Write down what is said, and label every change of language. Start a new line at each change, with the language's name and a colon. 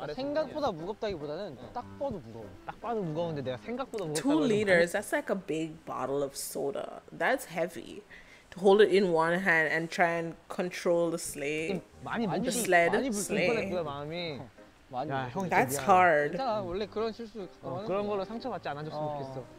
Korean: 생각보다 무겁다기보다는 딱 봐도 무거워. 딱 봐도 무거운데 내가 생각보다 무겁다.
English: 2 liters, that's like a big bottle of soda. That's heavy. Hold it in one hand and try and control the sleigh.
Korean: 많이
English: the sled.
Korean: 많이 불편했구나 마음이. 많이 야, 형이
English: That's
Korean: 미안해.
English: hard.
Korean: 괜찮아, 원래 그런 실수. 그런 걸로 상처받지 않아줬으면 좋겠어.